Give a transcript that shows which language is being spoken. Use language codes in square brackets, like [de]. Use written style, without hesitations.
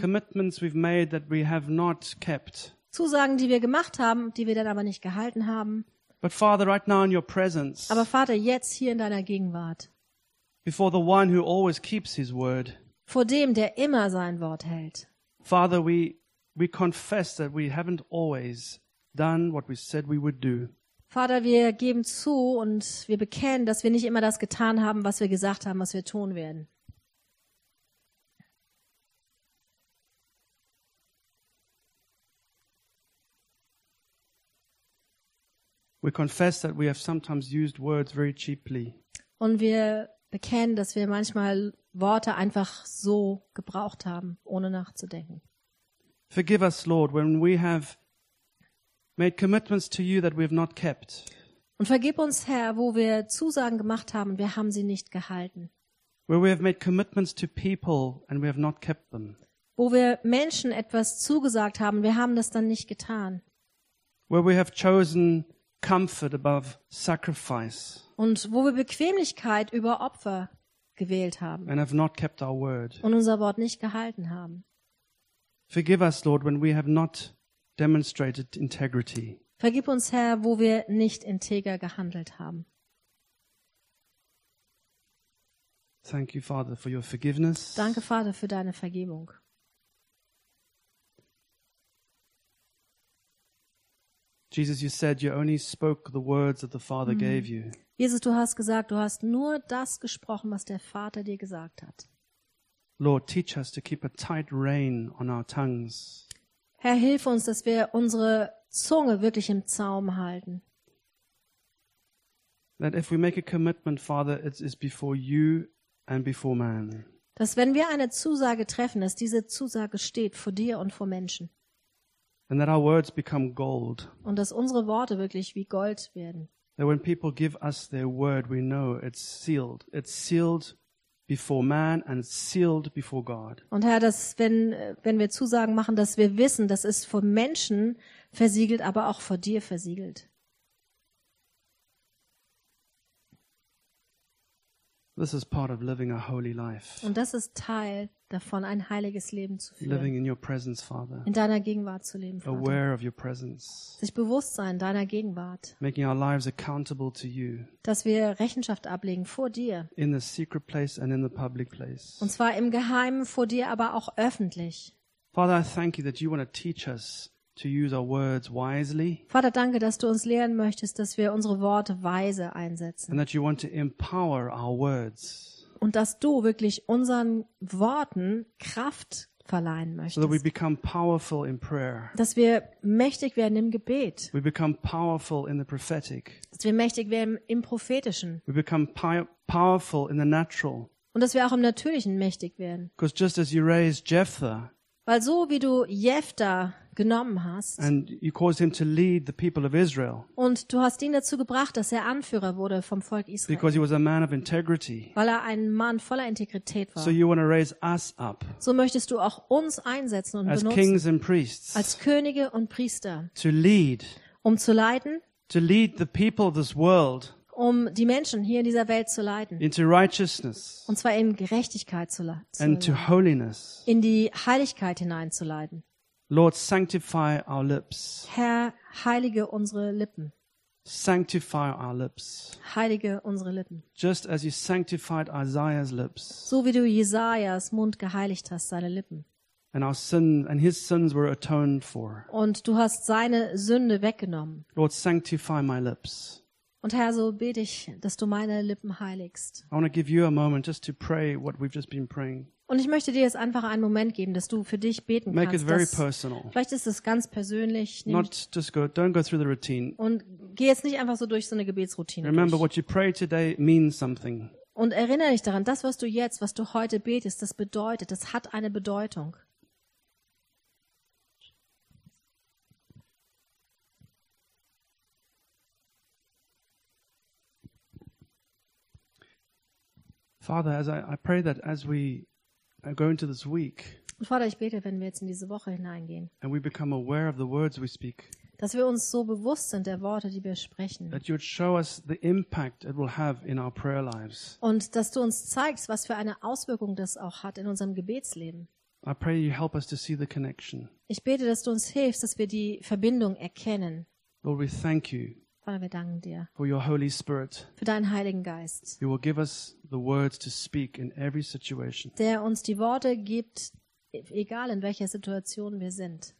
[en] Commitments we've made that we have not kept. [de] Zusagen, die wir gemacht haben, die wir dann aber nicht gehalten haben. [en] But Father, right now in your presence, [de] aber Vater, jetzt hier in deiner Gegenwart. [en] Before the one who always keeps his word, [de] vor dem, der immer sein Wort hält. [en] Father, we confess that we haven't always done what we said we would do. [de] Vater, wir geben zu und wir bekennen, dass wir nicht immer das getan haben, was wir gesagt haben, was wir tun werden. [en] We confess that we have sometimes used words very cheaply. [de] Und wir bekennen, dass wir manchmal Worte einfach so gebraucht haben, ohne nachzudenken. [en] Forgive us, Lord, when we have made commitments to you that we have not kept. [de] Und vergib uns, Herr, wo wir Zusagen gemacht haben und wir haben sie nicht gehalten. [en] Where we have made commitments to people and we have not kept them. [de] Wo wir Menschen etwas zugesagt haben, wir haben das dann nicht getan. [en] Where we have chosen comfort above sacrifice. [de] Und wo wir Bequemlichkeit über Opfer gewählt haben. [en] And have not kept our word. [de] Und unser Wort nicht gehalten haben. [en] Forgive us, Lord, when we have not demonstrated integrity. [de] Vergib uns, Herr, wo wir nicht integer gehandelt haben. [en] Thank you, Father, for your forgiveness. [de] Danke, Vater, für deine Vergebung. [en] Jesus, you said you only spoke the words that the Father gave you. [de] Jesus, du hast gesagt, du hast nur das gesprochen, was der Vater dir gesagt hat. [en] Lord, teach us to keep a tight rein on our tongues. [de] Herr, hilf uns, dass wir unsere Zunge wirklich im Zaum halten. [en] That if we make a commitment, Father, it is before you and before man. [de] Dass wenn wir eine Zusage treffen, dass diese Zusage steht vor dir und vor Menschen. [en] And that our words become gold. [de] Und dass unsere Worte wirklich wie Gold werden. [en] That when people give us their word, we know it's sealed. It's sealed before man and sealed before God. [de] Und Herr, dass wenn wir Zusagen machen, dass wir wissen, das ist vor Menschen versiegelt, aber auch vor dir versiegelt. [en] This is part of living a holy life. [de] Und das ist Teil davon, ein heiliges Leben zu führen. [en] Living in your presence, Father. [de] In deiner Gegenwart zu leben, Vater. [en] Aware of your presence. [de] Sich bewusst sein deiner Gegenwart. [en] Making our lives accountable to you. [de] Dass wir Rechenschaft ablegen vor dir. [en] In the secret place and in the public place. [de] Und zwar im Geheimen vor dir, aber auch öffentlich. [en] Father, I thank you that you want to teach us to use our words wisely. [de] Vater, danke, dass du uns lehren möchtest, dass wir unsere Worte weise einsetzen. [en] And that you want to empower our words. [de] Und dass du wirklich unseren Worten Kraft verleihen möchtest. [en] So that we become powerful in prayer. [de] Dass wir mächtig werden im Gebet. [en] We become powerful in the prophetic. [de] Dass wir mächtig werden im Prophetischen. [en] We become powerful in the natural. [de] Und dass wir auch im Natürlichen mächtig werden. [en] Because just as you raised Jephthah, [de] weil so wie du Jephthah genommen hast. [en] And you caused him to lead the people of Israel. [de] Und du hast ihn dazu gebracht, dass er Anführer wurde vom Volk Israel. [en] Because he was a man of integrity. [de] Weil er ein Mann voller Integrität war. [en] So you want to raise us up. [de] So möchtest du auch uns einsetzen und benutzen. [en] As kings and priests. [de] Als Könige und Priester. [en] To lead. [de] Um zu leiten. [en] To lead the people of this world. [de] Um die Menschen hier in dieser Welt zu leiten. [en] Into righteousness. [de] Und zwar in Gerechtigkeit zu leiten. [en] And to holiness. [de] In die Heiligkeit hineinzuleiten. [en] Lord, sanctify our lips. [de] Herr, heilige unsere Lippen. [en] Sanctify our lips. [de] Heilige unsere Lippen. [en] Just as you sanctified Isaiah's lips. [de] So wie du Jesajas Mund geheiligt hast, seine Lippen. [en] And our sin and his sins were atoned for. [de] Und du hast seine Sünde weggenommen. [en] Lord, sanctify my lips. [de] Und Herr, so bete ich, dass du meine Lippen heiligst. [en] I want to give you a moment just to pray what we've just been praying. [de] Und ich möchte dir jetzt einfach einen Moment geben, dass du für dich beten [en] Make [de] kannst. [en] It very personal. [de] Vielleicht ist es ganz persönlich. [en] Not just go, don't go through the routine. [de] Und geh jetzt nicht einfach so durch so eine Gebetsroutine. [en] Remember, [de] durch. [en] What you pray today means something. [de] Und erinnere dich daran, das, was du heute betest, das bedeutet, das hat eine Bedeutung. [en] Father, as I pray that as we go into this week. [de] Und Vater, ich bete, wenn wir jetzt in diese Woche hineingehen. [en] And we become aware of the words we speak. [de] Dass wir uns so bewusst sind der Worte, die wir sprechen. [en] That you would show us the impact it will have in our prayer lives. [de] Und dass du uns zeigst, was für eine Auswirkung das auch hat in unserem Gebetsleben. [en] I pray you help us to see the connection. [de] Ich bete, dass du uns hilfst, dass wir die Verbindung erkennen. [en] Lord, we thank you. [de] Vater, wir danken dir. [en] For your Holy Spirit. [de] Für deinen Heiligen Geist. [en] You will give us the words to speak in every situation. [de] Der uns die Worte gibt, egal in welcher Situation wir sind.